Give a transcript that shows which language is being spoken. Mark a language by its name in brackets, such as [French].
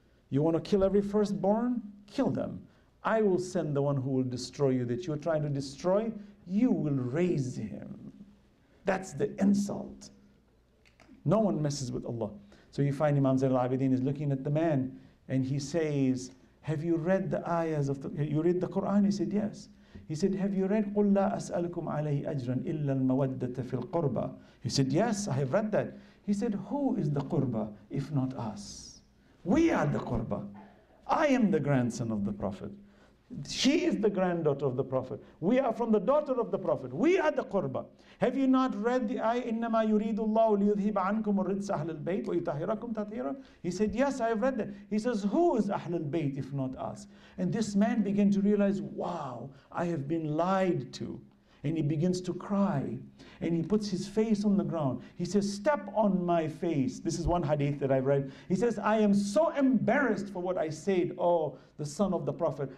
[English] You want to kill every firstborn? Kill them. I will send the one who will destroy you that you are trying to destroy. You will raise him. That's the insult. No one messes with Allah. So you find Imam Zain al-Abidin is looking at the man and he says, have you read the ayahs of the, you read the Quran? He said, yes. He said, have you read [Arabic] قُلْ لَا أَسْأَلُكُمْ عَلَيْهِ أَجْرًا إِلَّا الْمَوَدَّةَ فِي الْقُرْبَى? [English] He said, yes, I have read that. He said, who is the qurba if not us? We are the qurba. I am the grandson of the Prophet. She is the granddaughter of the Prophet. We are from the daughter of the Prophet. We are the qurba. Have you not read the ayah, [Arabic] إِنَّمَا يُرِيدُ اللَّهُ لِيُذْهِبَ عَنْكُمُ الرِّجْسَ أَهْلَ الْبَيْتِ وَيُطَهِّرَكُمْ تَطْهِيرًا? [English] He said, yes, I have read that. He says, who is Ahlul Bayt if not us? And this man began to realize, wow, I have been lied to. And he begins to cry. And he puts his face on the ground. He says, step on my face. This is one hadith that I've read. He says, I am so embarrassed for what I said, oh, the son of the Prophet.